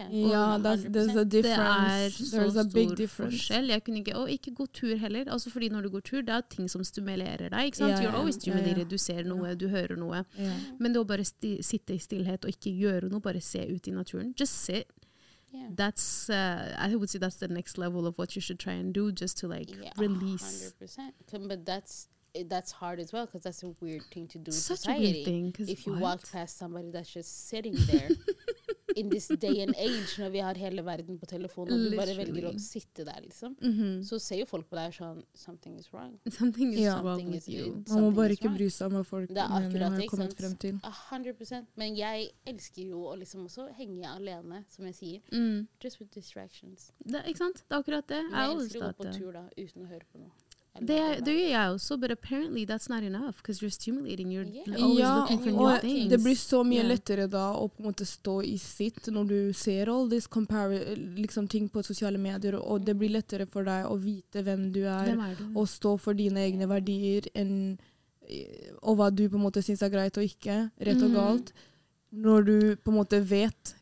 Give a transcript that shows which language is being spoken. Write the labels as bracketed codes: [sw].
[en] Ja, there's a difference. [no] Det så big stor difference. Forskjell. Jeg kunne ikke, ikke gå tur heller. Altså fordi når du går tur, det ting som stimulerer deg, ikke sant? [en] Yeah, you're always stimulated. [no] Yeah. Du ser noe, du hører noe. Yeah. Men det å bare sitte I stillhet og ikke gjøre noe, bare se ut I naturen. [en] Just sit. Yeah. That's I would say that's the next level of what you should try and do just to like release. 100%. But that's hard as well because that's a weird thing to do such in society. A weird thing, if you walk past somebody that's just sitting there in this day and age [no] når vi har hele verden på telefonen og du bare velger å sitte der liksom så ser jo folk på deg sånn [en] something is wrong with you. [no] Man må bare ikke bry seg om hva folk mener har kommet frem til 100% men jeg elsker jo å liksom også henge alene som jeg sier [en] just with distractions [no] ikke sant det akkurat det men jeg elsker å gå på tur da uten å høre på noe Det gjør jeg også, [en] but apparently that's not enough because you're stimulating, you're always looking for new things. [no] Det blir så mye lettere da å på en måte stå I sitt når du ser all this liksom ting på sosiale medier, og det blir lettere for deg å vite hvem du du? Og stå for dine egne verdier og hva du på en måte synes greit og ikke, rett og galt, når du på en måte vet.